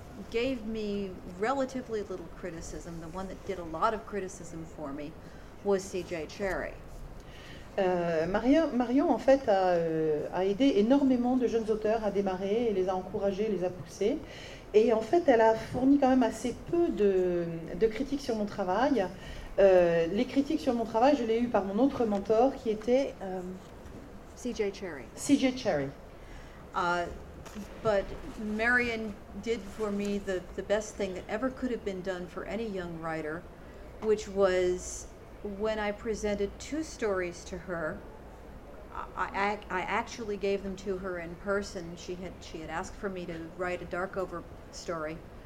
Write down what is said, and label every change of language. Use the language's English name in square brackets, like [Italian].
[English] Gave me relatively little criticism. The one that did a lot of criticism for me was C.J. Cherry. [French] Marion, en fait, a aidé énormément de jeunes auteurs à démarrer et les a encouragés, les a poussés. Et en fait, elle a fourni quand même assez peu de critiques sur mon travail. Les critiques sur mon travail, je l'ai eues par mon autre mentor qui était... C.J. Cherry. C.J. Cherry. [English] But Marion did for me the best thing that ever could have been done for any young writer, which was when I presented two stories to her. I actually gave them to her in person. She had asked for me to write a Darkover story.